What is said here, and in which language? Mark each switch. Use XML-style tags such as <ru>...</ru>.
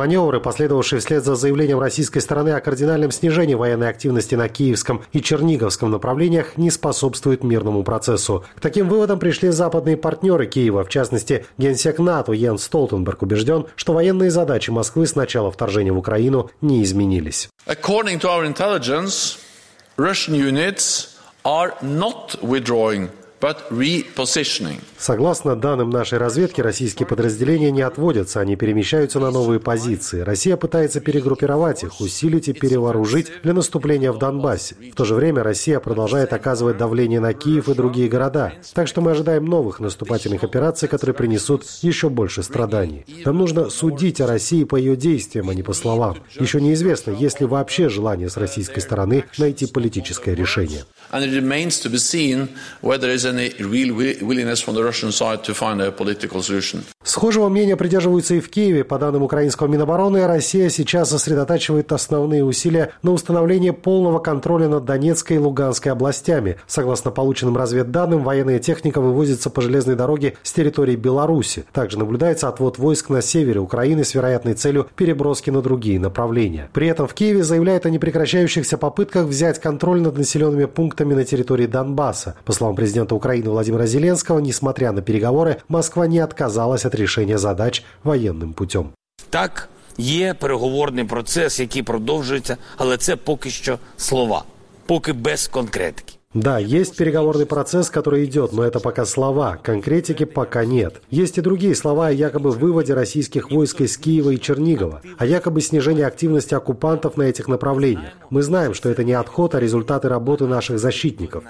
<ru>Маневры, последовавшие вслед за заявлением российской стороны о кардинальном снижении военной активности на Киевском и Черниговском направлениях, не способствуют мирному процессу. К таким выводам пришли западные партнеры Киева, в частности, генсек НАТО Йенс Столтенберг убежден, что военные задачи Москвы с начала вторжения в Украину не изменились.</ru> <en>According to our intelligence, Russian units are not withdrawing. But repositioning.</en> <ru>Согласно данным нашей разведки, российские подразделения не отводятся, они перемещаются на новые позиции. Россия пытается перегруппировать их, усилить и перевооружить для наступления в Донбассе. В то же время Россия продолжает оказывать давление на Киев и другие города. Так что мы ожидаем новых наступательных операций, которые принесут еще больше страданий. Нам нужно судить о России по ее действиям, а не по словам. Еще неизвестно, есть ли вообще желание с российской стороны найти политическое решение.</ru> <en>And it remains to be seen whether there is any real willingness from the Russian side to find a political solution.</en> <ru>Схожего мнения придерживаются и в Киеве. По данным украинского Минобороны, Россия сейчас сосредотачивает основные усилия на установлении полного контроля над Донецкой и Луганской областями. Согласно полученным разведданным, военная техника вывозится по железной дороге с территории Беларуси. Также наблюдается отвод войск на севере Украины с вероятной целью переброски на другие направления. При этом в Киеве заявляют о непрекращающихся попытках взять контроль над населенными пунктами на территории Донбасса. По словам президента Украины Владимира Зеленского, несмотря на переговоры, Москва не отказалась от</ru> <uk>рішення задач воєнним путем. Так, є переговорний процес, який продовжується, але це поки що слова, поки без конкретики.</uk> <ru>Да, есть переговорный процесс, который идет, но это пока слова. Конкретики пока нет. Есть и другие слова о якобы выводе российских войск из Киева и Чернигова, о якобы снижении активности оккупантов на этих направлениях. Мы знаем, что это не отход, а результаты работы наших защитников.</ru>